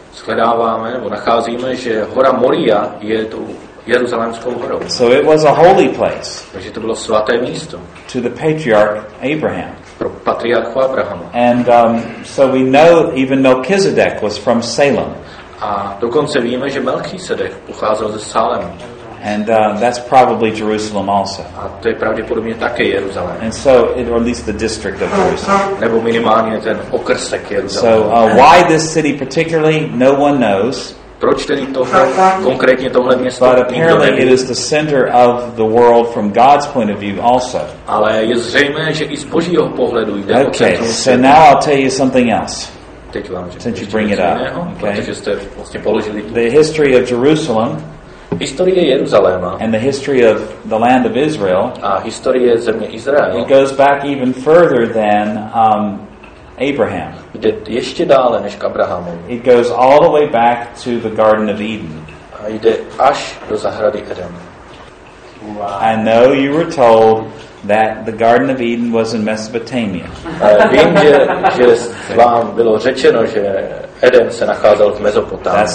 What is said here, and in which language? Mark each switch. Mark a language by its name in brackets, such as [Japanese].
[Czech] Shledáváme, nebo nacházíme, že hora Moria je tu jeruzalémskou horou. [English] So it was a holy place. [Czech] Takže to bylo svaté místo. [English] To the patriarch Abraham. [Czech] Pro patriarchu Abrahama. [English] And so we know even Melchizedek was from Salem. [Czech] A dokonce víme, že Melchisedek pocházel ze Salemu. [English] And that's probably Jerusalem also. [Czech] A to je pravděpodobně také Jeruzalém. [English] And so, or at least the district of Jerusalem. [Czech] Nebo minimálně ten okrsek Jeruzalém. [English] So, why this city particularly, no one knows. [Czech] Proč tedy tohle, konkrétně tohle město? [English] But apparently it is the center of the world from God's point of view also. [Czech] Ale je zřejmé, že i z Božího pohledu jde [English] okay, [Czech] o centrum. [English] Okay, so now I'll tell you something else. [Czech] Teď vám řeknu. [English] Since you bring it up. Okay. [Czech] Protože jste vlastně položili tu. [English] The history of Jerusalem. [Czech] Historie Jeruzaléma. [English] And the history of the land of Israel. [Czech] A historie země Izraela. [English] It goes back even further than Abraham. [Czech] Ještě dále než k Abrahamu. [English] It goes all the way back to the Garden of Eden. [Czech] A jde až do zahrady Eden. [English] Wow. I know you were told that the Garden of Eden was in Mesopotamia. [Czech] Vím, že vám bylo řečeno, že Eden se nacházel v Mezopotámii.